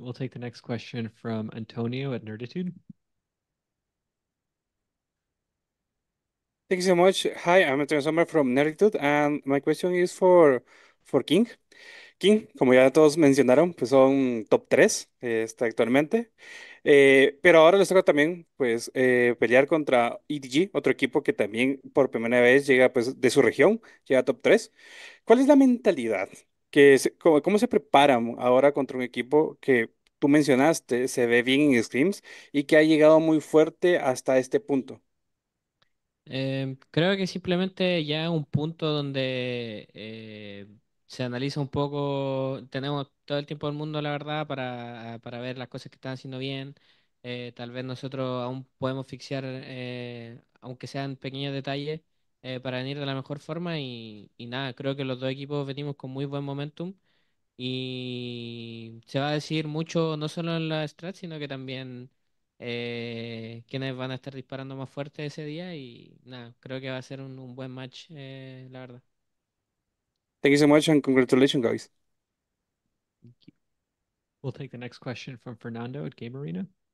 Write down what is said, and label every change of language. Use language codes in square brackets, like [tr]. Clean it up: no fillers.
[en] We'll take the next question from Antonio at Nerditude. Thank you so much. Hi, I'm Antonio Sommer from Nerditude, and my question is for King. [es] King, como ya todos mencionaron, pues son top 3 actualmente. Pero ahora les toca también pues, pelear contra EDG, otro equipo que también por primera vez llega pues, de su región, llega a top 3. ¿Cuál es la mentalidad? ¿Cómo se preparan ahora contra un equipo que tú mencionaste se ve bien en scrims y que ha llegado muy fuerte hasta este punto? Creo que simplemente ya es un punto donde se analiza un poco. Tenemos todo el tiempo del mundo, la verdad, para ver las cosas que están haciendo bien. Tal vez nosotros aún podemos fixear, aunque sean pequeños detalles, para venir de la mejor forma. Y nada, creo que los dos equipos venimos con muy buen momentum. Y se va a decir mucho, no solo en la strat, sino que también. Quiénes van a estar disparando más fuerte ese día y nada, creo que va a ser un buen match, la verdad. [en] Thank you so much and congratulations, guys. Thank you. We'll take the next question from Fernando at Game Arena.